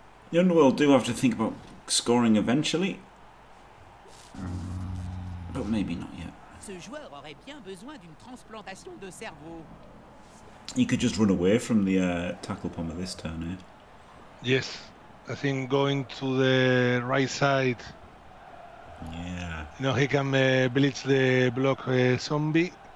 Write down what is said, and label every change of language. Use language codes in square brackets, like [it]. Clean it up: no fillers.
[en] The Underworld do have to think about scoring eventually. But maybe not yet. [fr] Ce joueur aurait bien besoin d'une transplantation de cerveau. [en] He could just run away from the tackle pommer this turn, eh? Yes. I think going to the right side. Yeah. You know, he can blitz the block zombie.